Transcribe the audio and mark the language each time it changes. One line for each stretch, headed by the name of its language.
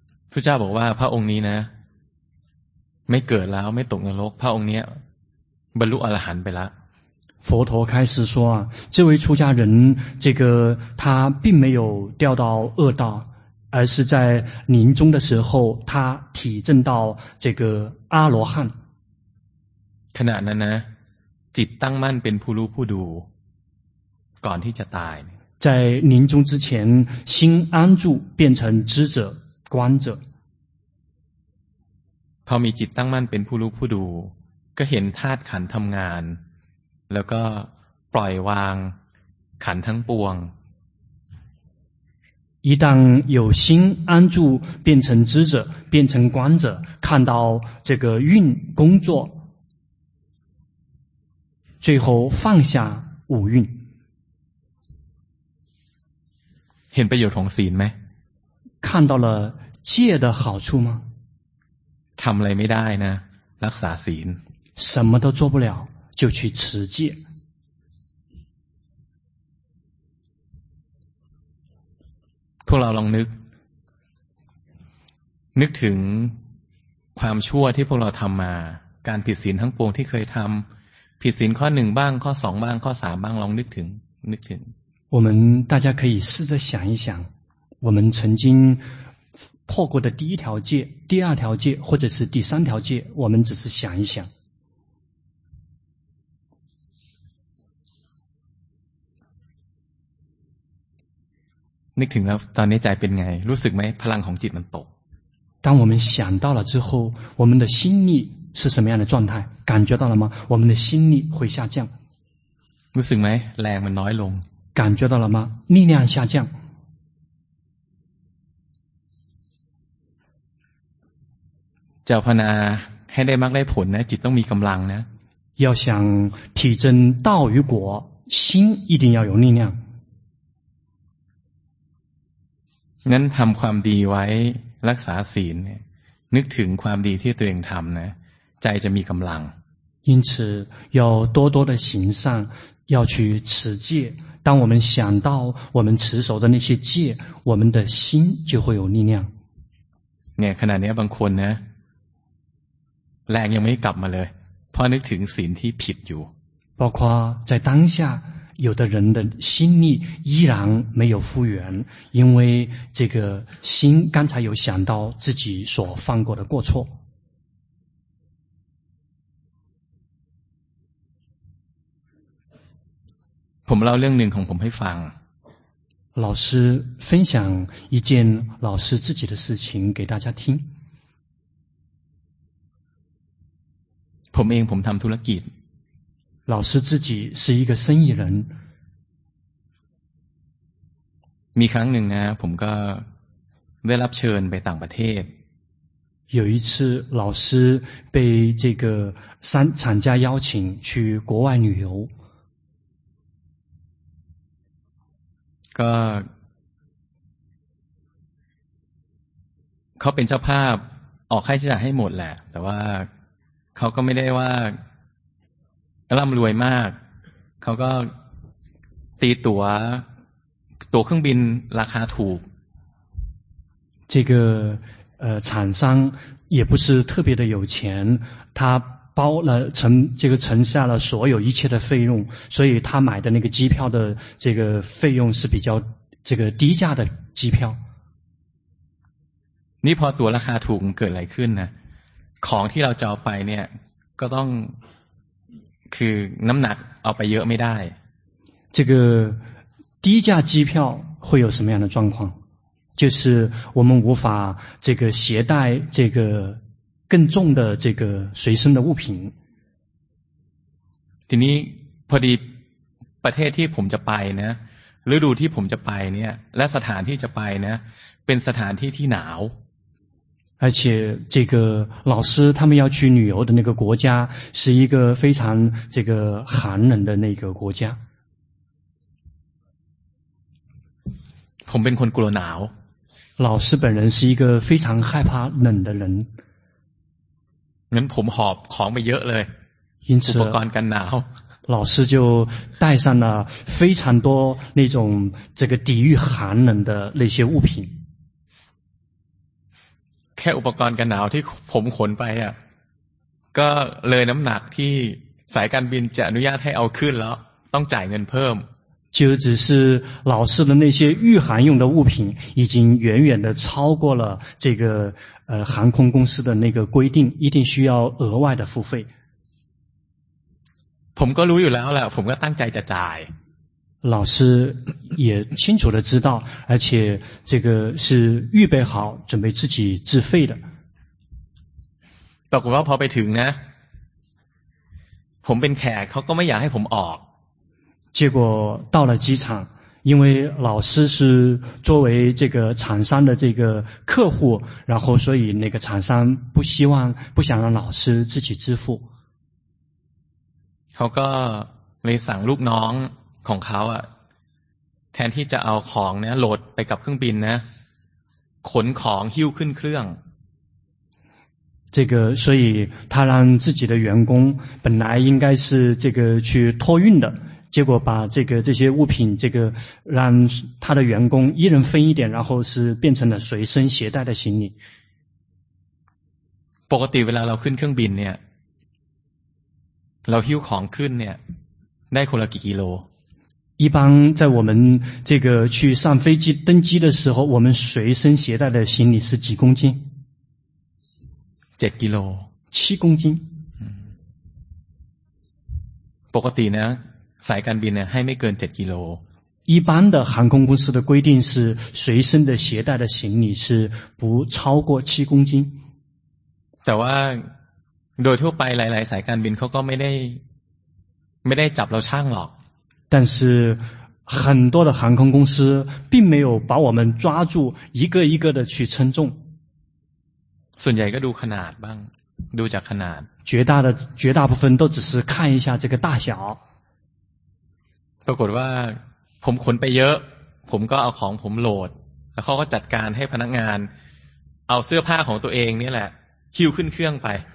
Thai: พุทธเจ้าบอกว่าพระองค์นี้นะไม่เกิดแล้วไม่ตกนรกพระองค์เนี้ยบรรลุอรหันต์ไปแล้ว
Chinese: 佛陀开始说啊这位出家人这个他并没有掉到恶道而是在临终的时候他体证到这个阿罗汉
Thai: ขณะนั้นนะจิตตั้งมั่นเป็นผู้รู้ผู้ดูก่อนที่จะตาย
Chinese: 在临终之前心安住变成知者观者
Thai: พอมีจิตตั้งมั่นเป็นผู้รู้ผู้ดูก็เห็นธาตุขันธ์ทำงานแล้วก็ปล่อยวางขันธ์ทั้งปวง
Chinese: 一旦有心安住变成知者变成观者看到这个运工作最后放下五蕴。
Thai: เห็นประโยชน์ของศีลไหม
Chinese: 看到了戒的好处吗
Thai: ทำอะไรไม่ได้นะรักษาศีล
Chinese: 什么都做不了就去持戒
Thai: พวกเราลองนึกถึงความชั่วที่พวกเราทำมาการผิดศีลทั้งปวงที่เคยทำผิดศีลข้อหนึ่งบ้างข้อสองบ้างข้อสามบ้างลองนึกถึง
Chinese: 我们大家可以试着想一想我们曾经破过的第一条戒第二条戒或者是第三条戒我们只是想一想
Thai: นึกถึงแล้วตอนนี้ใจเป็นไงรู้สึกไหมพลังของจิตมันตก
Chinese: 当我们想到了之后我们的心力是什么样的状态感觉到了吗我们的心力会下降
Thai: รู้สึกไหมแรงมันน้อยลง
Chinese: 感觉到了吗力量下降
Thai: จะภาวนาให้ได้มรรคได้ผลนะจิตต้องมีกำลังนะ
Chinese: 要想体证道与果心一定要有力量
Thai: งั้นทำความดีไว้รักษาศีลนึกถึงความดีที่ตัวเองทำนะใจจะมีกำลัง
Chinese: 因此要多多的行善要去持戒当我们想到我们持守的那些戒我们的心就会有力量
Thai: เนี่ยขนาดนี้บางคนนะแรงยังไม่กลับมาเลยเพราะนึกถึงศีลที่ผิดอยู่
Chinese: 包括在当下有的人的心力依然没有复原因为这个心刚才有想到自己所犯过的过错
Thai: ผมเล่าเรื่องหนึ่งของผมให้ฟัง
Chinese: 老师分享一件老师自己的事情给大家听
Thai: ผมเองผมทำธุรกิจ
Chinese: 老师自己是一个生意人
Thai: มีครั้งหนึ่งนะผมก็ได้รับเชิญไปต่างประเทศ
Chinese: 有一次老师被这个厂家邀请去国外旅游
Thai: ก็เขาเป็นเจ้าภาพออกค่าใช้จ่ายให้หมดแหละแต่ว่าเขาก็ไม่ได้ว่าร่ำรวยมากเขาก็ตีตั๋วเครื่องบินราคาถูก
Chinese: 这个厂商也不是特别的有钱他包了承这个承下了所有一切的费用所以他买的那个机票的这个费用是比较这个低价的机票
Thai: นี่พอตั๋วราคาถูกเกิดอะไรขึ้นนะของที่เราจะเอาไปเนี่ยก็ต้องคือน้ำหนักเอาไปเยอะไม่ได้
Chinese: 这个低价机票会有什么样的状况就是我们无法这个携带这个更重的这个随身的物品
Thai: ทีนี้พอดีประเทศที่ผมจะไปนะฤดูที่ผมจะไปเนี่ยและสถานที่จะไปนะเป็นสถานที่ที่หนาว
Chinese: 而且这个老师他们要去旅游的那个国家是一个非常这个寒冷的那个国家
Thai: ผมเป็นคนกลัวหนาว
Chinese: 老师本人是一个非常害怕冷的人
Thai: งั้นผมหอบของไปเยอะเลย
Chinese: 因此
Thai: อุปกรณ์กันหนาว
Chinese: 老师就带上了非常多那种这个抵御寒冷的那些物品
Thai: แค่อุปกรณ์กันหนาวที่ผมขนไปอ่ะก็เลยน้ำหนักที่สายการบินจะอนุญาตให้เอาขึ้นแล้วต้องจ่ายเงินเพิ่ม
Chinese: 就只是老师的那些御寒用的物品已经远远的超过了这个航空公司的那个规定一定需要额外的付费
Thai: ผมก็รู้อยู่แล้วแหละผมก็ตั้งใจจะจ่าย
Chinese: 老师也清楚的知道而且这个是预备好准备自己自费的
Thai: ปรากฏว่าพอไปถึงนะผมเป็นแขกเขาก็ไม่อยากให้ผมออก
Chinese: 结果到了机场因为老师是作为这个厂商的这个客户然后所以那个厂商不希望不想让老师自己支付
Thai: ขาก็เลยสั่งลูกน้องของเขาอะแทนที่จะเอาของเนี่ยโหลดไปกับเครื่องบินนะขนของหิ้วขึ้นเครื่อง
Chinese: 这个所以他让自己的员工本来应该是这个去托运的结果把这些物品这个让他的员工一人分一点然后是变成了随身携带的行李
Thai: ปกติเวลาเราขึ้นเครื่องบินเนี่ยเราหิ้วของขึ้นเนี่ยได้คนละกี่กิโล
Chinese: 一般在我们这个去上飞机登机的时候我们随身携带的行李是几公斤
Thai: 7กิโล
Chinese: 7公斤
Thai: ปกตินะสายการบินเนี่ยให้ไม่เกิน7กิโล
Chinese: 一般的航空公司的规定是随身的携带的行李是不超过7公斤
Thai: แต่ว่าโดยทั่วไปหลายๆสายการบินเขาก็ไม่ได้จับเราช่างหรอก
Chinese: 但是很多的航空公司并没有把我们抓住一个一个的去称重
Thai: ส่วนใหญ่ก็ดูขนาดบ้างดูจากขนาด
Chinese: 绝大部分都只是看一下这个大小
Thai: ปรากฏว่าผมขนไปเยอะผมก็เอาของผมโหลดแล้วเขาก็จัดการให้พนักงานเอาเสื้อผ้าของตัวเองนี่แหละหิ้วขึ้นเครื่องไป